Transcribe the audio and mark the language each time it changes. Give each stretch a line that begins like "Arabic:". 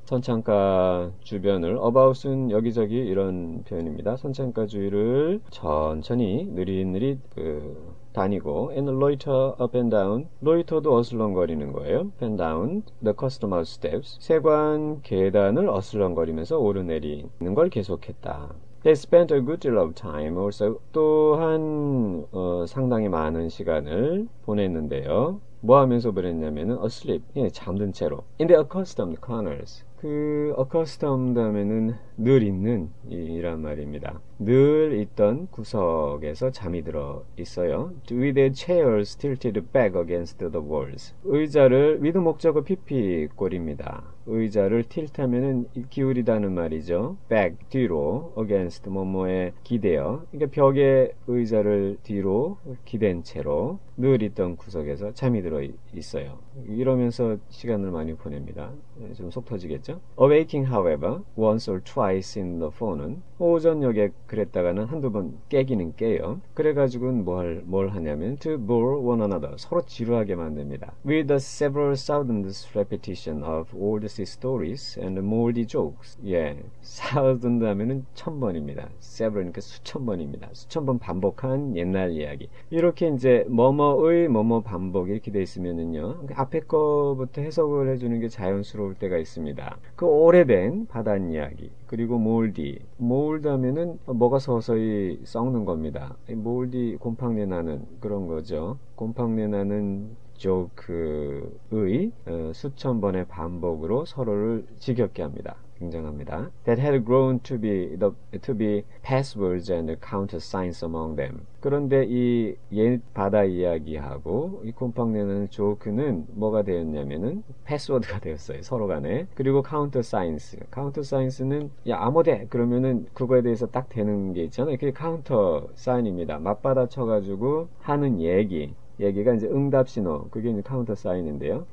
Korean: 선창가 주변을 about은 여기저기 이런 표현입니다. 선창가 주위를 천천히 느릿느릿 다니고
English: and loiter up and down.
Korean: 로이터도 어슬렁거리는 거예요.
English: up and down the custom house steps.
Korean: 세관 계단을 어슬렁거리면서 오르내리는 걸 계속했다.
English: They spent a good deal of time also.
Korean: 또한 상당히 많은 시간을 보냈는데요. 뭐 하면서 보냈냐면은 asleep. 예, 잠든 채로.
English: In the accustomed corners.
Korean: 그 accustomed 하면은 늘 있는 이란 말입니다. 늘 있던 구석에서 잠이 들어 있어요.
English: With their chairs tilted back against the walls.
Korean: 의자를 with 목적어 PP 꼴입니다. 의자를 틸트하면은 기울이다는 말이죠. back 뒤로 against 뭐뭐에 기대어. 그러니까 벽에 의자를 뒤로 기댄 채로 늘 있던 구석에서 잠이 들어 있어요. 이러면서 시간을 많이 보냅니다. 좀속 터지겠죠?
English: Awaking, however, once or twice in the forenoon.
Korean: 오전역에 그랬다가는 한두 번 깨기는 깨요. 그래가지고는 뭘 하냐면
English: to bore one another.
Korean: 서로 지루하게 만듭니다.
English: With the several thousandth repetition of old stories and moldy jokes.
Korean: 예, thousand 하면은 천 번입니다. several니까 수천 번입니다. 수천 번 반복한 옛날 이야기. 이렇게 이제 뭐뭐의 뭐뭐 반복 이렇게 돼 있으면은요. 앞에 거부터 해석을 해주는 게 자연스러울 때가 있습니다. 그 오래된 바다 이야기. 그리고 몰디. 몰드하면은 뭐가 서서히 썩는 겁니다. 몰디 곰팡내 나는 그런 거죠. 곰팡내 나는 조크의 수천 번의 반복으로 서로를 지겹게 합니다. 굉장합니다.
English: That had grown to be passwords and countersigns among them.
Korean: 그런데 이옛 바다 이야기하고 이 곰팡내는 조크는 뭐가 되었냐면은 패스워드가 되었어요. 서로 간에. 그리고 countersigns. countersigns는 야 아무데 그러면은 그거에 대해서 딱 되는 게 있잖아요. 그게 countersign입니다. 맞받아 쳐가지고 하는 얘기. 얘기가 이제 응답 신호, 그게 이제 카운터 사인인데요.